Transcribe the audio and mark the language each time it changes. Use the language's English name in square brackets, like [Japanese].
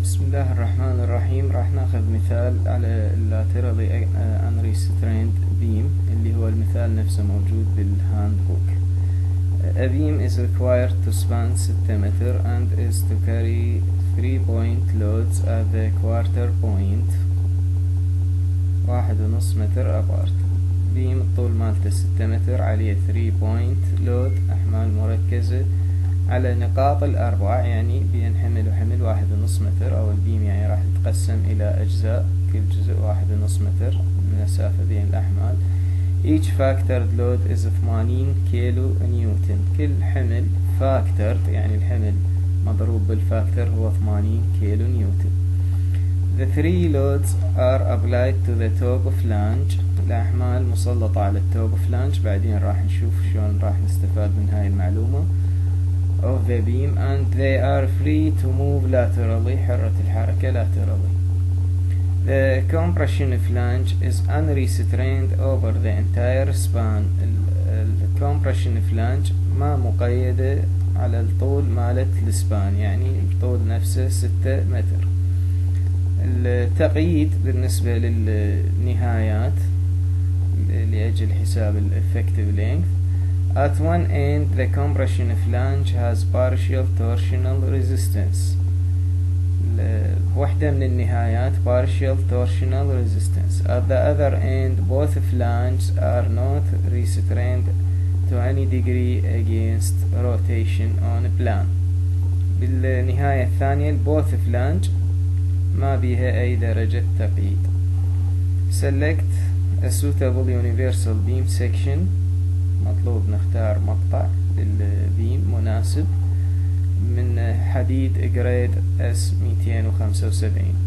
[Arabic] الله الرحمن الرحيم، راح ناخذ مثال على اللاترالي unrestrained beam اللي هو المثال نفسه موجود بالهاند بوك. [English] A beam is required to span 6 متر and is to carry 3 point loads at the quarter point 1.5 متر apart. [Arabic] بيم الطول مالته 6 متر عليه 3 point load احمال مركزة على نقاط الأربع، يعني بينحمل حمل 1.5 متر، أو البيم يعني راح يتقسم إلى أجزاء كل جزء 1.5 متر المسافة بين الأحمال. [English] Each factored load is [Arabic] 80 كيلو نيوتن، كل حمل factored يعني الحمل مضروب بالفاكتر هو 80 كيلو نيوتن. [English] The three loads are applied to the top of flange، [Arabic] الأحمال مسلطة على التوب of flange، بعدين راح نشوف شلون راح نستفاد من هاي المعلومة. Of the beam and they are free to move laterally، حرة الحركة laterally. [English] The compression flange is unrestrained over the entire span، [Arabic] ال compression flange ما مقيدة على الطول مالت السبان، يعني الطول نفسه 6 متر. التقييد بالنسبة للنهايات لأجل حساب ال effective length. [English] At one end, the compression flange has partial torsional resistance. [Arabic] واحدة من النهايات partial torsional resistance. [English] At the other end, both flanges are not restrained to any degree against rotation on a plan. [Arabic] بالنهاية الثانية both flange ما بيها أي درجة تقييد. [English] Select a suitable universal beam section. [Arabic] مطلوب نختار مقطع للبيم مناسب من حديد جريد S 275.